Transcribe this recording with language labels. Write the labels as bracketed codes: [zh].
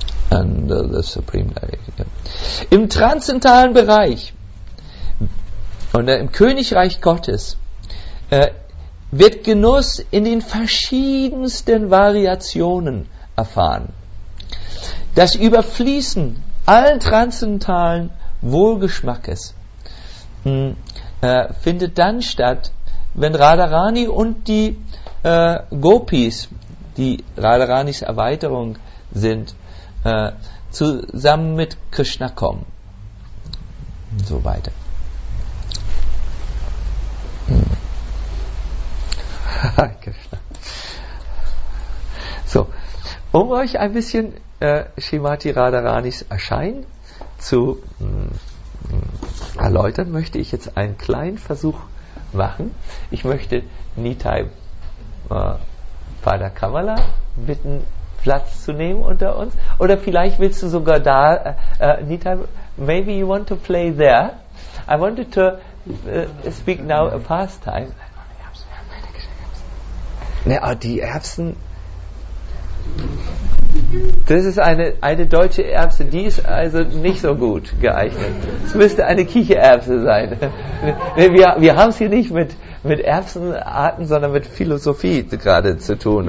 [en] Under the Supreme Deity. [de] Im transzendentalen Bereich und im Königreich Gottes wird Genuss in den verschiedensten Variationen erfahren. Das Überfließen allen transzendentalen Wohlgeschmackes findet dann statt, wenn Radharani und die Gopis, die Radharanis Erweiterung sind, zusammen mit Krishna kommen. So weiter. Krishna. So, um euch ein bisschen Srimati Radharanis Erscheinen zu erläutern, möchte ich jetzt einen kleinen Versuch machen. Ich möchte Nitai Pada Kamala bitten, Platz zu nehmen unter uns. Oder vielleicht willst du sogar da, Nitai, [en] maybe you want to play there. I wanted to speak now a pastime. [de] Die Erbsen, das ist eine deutsche Erbse, die ist also nicht so gut geeignet. Es müsste eine Kichererbse sein. Wir haben es hier nicht mit Erbsenarten, sondern mit Philosophie gerade zu tun.